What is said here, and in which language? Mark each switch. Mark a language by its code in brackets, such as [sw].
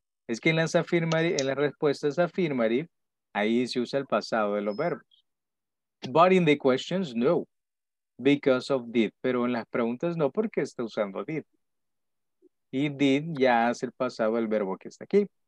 [es] Es que en las respuestas affirmative, ahí se usa el pasado de los verbos. [en] But in the questions, no, because of did. [es] Pero en las preguntas, no, porque está usando did. Y did ya es el pasado del verbo que está aquí.